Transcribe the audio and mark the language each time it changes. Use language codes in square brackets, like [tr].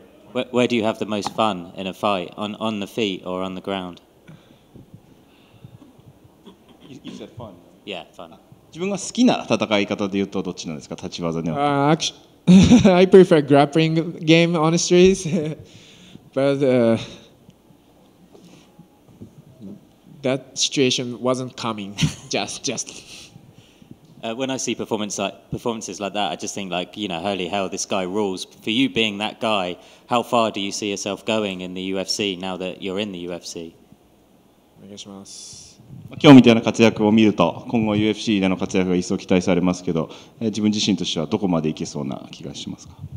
[en] Where do you have the most fun in a fight, on the feet or on the ground? You said fun. Yeah, fun. [ja] 自分が好きな戦い方で言うとどっちなんですか、立ち技には。 [en] I prefer grappling game, honestly. But that situation wasn't coming. Just. When I see performances like that, I just think like, you know, holy hell, this guy rules. For you being that guy, how far do you see yourself going in the UFC now that you're in the UFC? [ja] お願いします。今日みたいな活躍を見ると、今後 UFC での活躍が一層期待されますけど、自分自身としてはどこまでいけそうな気がしますか？